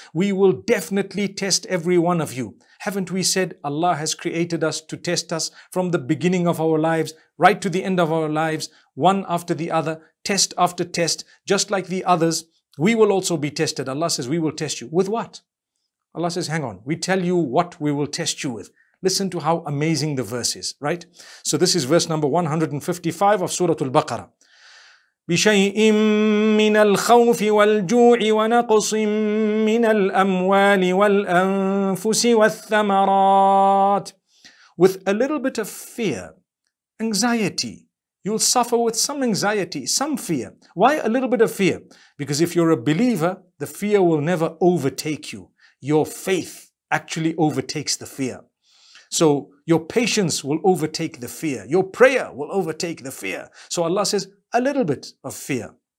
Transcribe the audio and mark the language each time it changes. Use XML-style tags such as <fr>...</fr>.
<en>We will definitely test every one of you. Haven't we said Allah has created us to test us from the beginning of our lives, right to the end of our lives, one after the other, test after test, just like the others. We will also be tested. Allah says, we will test you. With what? Allah says, hang on, we tell you what we will test you with. Listen to how amazing the verse is, right? So this is verse number 155 of Surah Al-Baqarah.</en> <ar>بِشَيْءٍ مِّنَ الْخَوْفِ وَالْجُوعِ وَنَقْصٍ مِّنَ الْأَمْوَالِ وَالْأَنفُسِ وَالثَّمَرَاتِ</ar> <en>With a little bit of fear, anxiety. You'll suffer with some anxiety, some fear. Why a little bit of fear? Because if you're a believer, the fear will never overtake you. Your faith actually overtakes the fear. So your patience will overtake the fear. Your prayer will overtake the fear. So Allah says, a little bit of fear.</en>